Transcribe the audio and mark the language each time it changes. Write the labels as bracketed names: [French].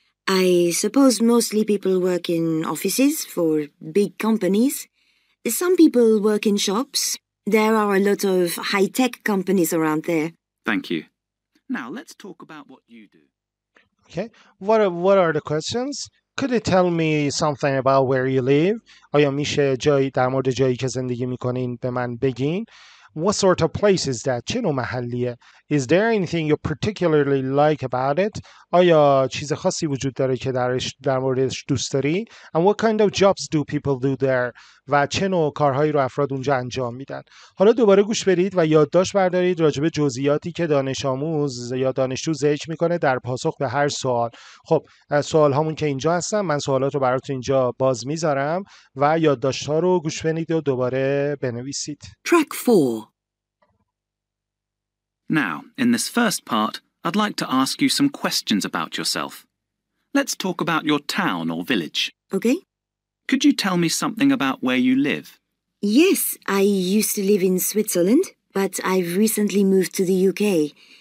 [English] I suppose mostly people work in offices for big companies. Some people work in shops. There are a lot of high-tech companies around there. Thank you. Now let's talk about what you do. Okay, what are the questions? Could you tell me something about where you live? [Persian] آیا میشه جایی در مورد جایی که زندگی میکنین به من بگین؟ [English] What sort of place is that? [Persian] چه نوع محلیه؟ [English] Is there anything you particularly like about it? [Persian] آیا چیز خاصی وجود داره که درش در موردش دوست داری؟ [English] And what kind of jobs do people do there? [Persian] و چه نوع کارهایی رو افراد اونجا انجام میدن؟ حالا دوباره گوش بدید و یادداشت بردارید راجع به جزئیاتی که دانش آموز یا دانشجو ذکر میکنه در پاسخ به هر سوال. خب سوال هامون که اینجا هستن، من سوالات رو براتون اینجا باز میذارم و یادداشت ها رو گوش بدید و دوباره بنویسید. [English] Track 4. Now, in this first part, I'd like to ask you some questions about yourself. Let's talk about your town or village. Okay. Could you tell me something about where you live? Yes, I used to live in Switzerland, but I've recently moved to the UK.